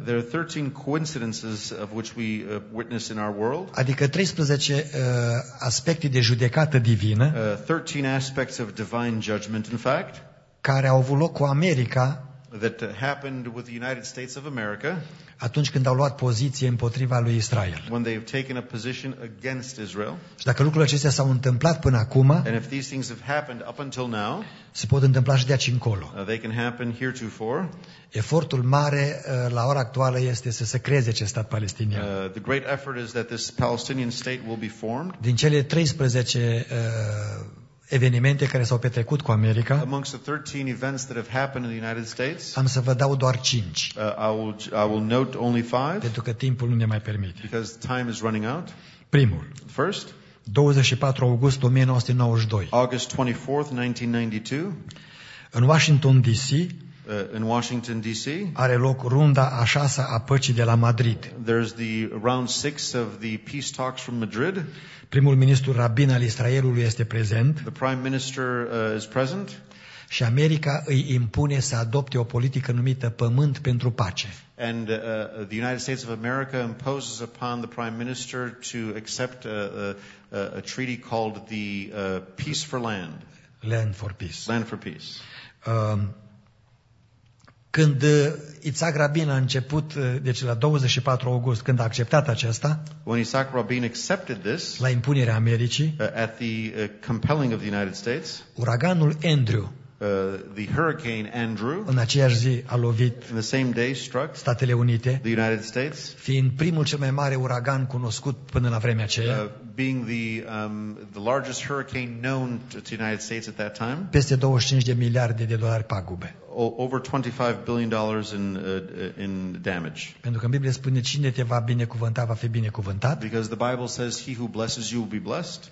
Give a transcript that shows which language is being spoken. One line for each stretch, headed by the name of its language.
English: There are 13 coincidences of which we witness in our world.
Romanian: Adică 13 aspecte de judecată divină.
English: 13 aspects of divine judgment, in fact.
Romanian: Care au avut loc cu America.
English: That happened with the United States of America.
Romanian: Atunci când au luat poziție împotriva lui Israel.
English: When they have taken a position against Israel.
Romanian: Și dacă lucrurile acestea s-au întâmplat până acum,
English: and if these things have happened up until now,
Romanian: se pot întâmpla și de aici încolo.
English: They can happen heretofore.
Romanian: Efortul mare la ora actuală este să se creeze acest stat palestinian.
English: The great effort is that this Palestinian state will be formed.
Romanian: Din cele 13 evenimente care s-au petrecut cu America.
English: Amongst the 13 events that have happened in the United States.
Romanian: Am să vă dau doar 5.
English: I will note only 5.
Romanian: Pentru că timpul nu ne mai permite.
English: Because time is running out.
Romanian: Primul.
English: First.
Romanian: 24 august 1992.
English: August 24th, 1992.
Romanian: În Washington DC.
English: In Washington DC.
Romanian: Are loc runda a 6-a a păcii de la Madrid.
English: There's the round 6 of the peace talks from Madrid.
Romanian: Primul ministru rabin al Israelului este prezent.
English: The prime minister is present.
Romanian: Și America îi impune să adopte o politică numită Pământ pentru Pace.
English: And the United States of America imposes upon the prime minister to accept a treaty called the Peace for Land. Land for Peace. Land for Peace.
Romanian: Când Itzhak Rabin a început, deci la 24 august, când a acceptat aceasta,
English: when Itzhak Rabin accepted this,
Romanian: la impunerea Americii,
English: at the compelling of the United States,
Romanian: uraganul Andrew,
English: the hurricane Andrew,
Romanian: în aceeași zi a lovit,
English: in the same day struck,
Romanian: Statele Unite,
English: the United States,
Romanian: fiind primul cel mai mare uragan cunoscut până la vremea aceea,
English: being the largest hurricane known to the United States at that time,
Romanian: peste 25 de miliarde de dolari pagube.
English: Over $25 billion in damage.
Romanian: Pentru că Biblia spune cine te va binecuvânta va fi binecuvântat.
English: Because the Bible says he who blesses you will be blessed.